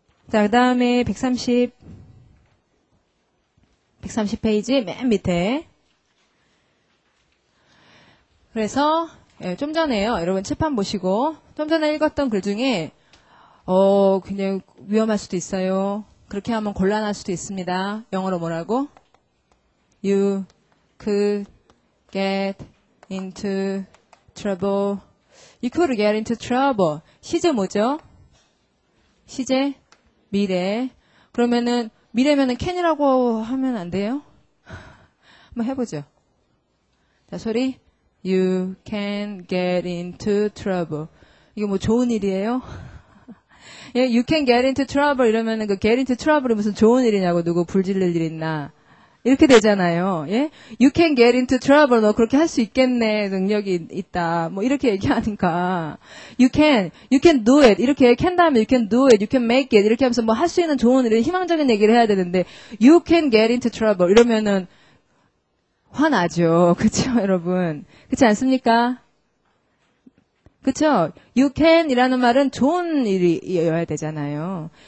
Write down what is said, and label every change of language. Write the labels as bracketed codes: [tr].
[ko] 자, 그다음에 130페이지 맨 밑에. 그래서 좀 전에요. 여러분 칠판 보시고 좀 전에 읽었던 글 중에 그냥 위험할 수도 있어요. 그렇게 하면 곤란할 수도 있습니다. 영어로 뭐라고? [en] You could get into trouble. You could get into trouble. [ko] 시제 뭐죠? 시제? 미래. 그러면은 미래면은 can이라고 하면 안 돼요? 한번 해보죠. 자, 소리. [en] You can get into trouble. [ko] 이게 뭐 좋은 일이에요? [en] You can get into trouble [ko] 이러면 그 get into trouble이 무슨 좋은 일이냐고 누구 불질릴 일 있나. 이렇게 되잖아요. 예? [en] You can get into trouble. [ko] 너 그렇게 할 수 있겠네. 능력이 있다. 뭐 이렇게 얘기하니까. [en] You can do it. [ko] 이렇게 can 다음에 [en] you can do it. You can make it. [ko] 이렇게 하면서 뭐 할 수 있는 좋은 일을 희망적인 얘기를 해야 되는데 [en] You can get into trouble. [ko] 이러면은 화나죠. 그렇죠, 여러분? 그렇지 않습니까? 그렇죠? You can 이라는 말은 좋은 일이어야 되잖아요.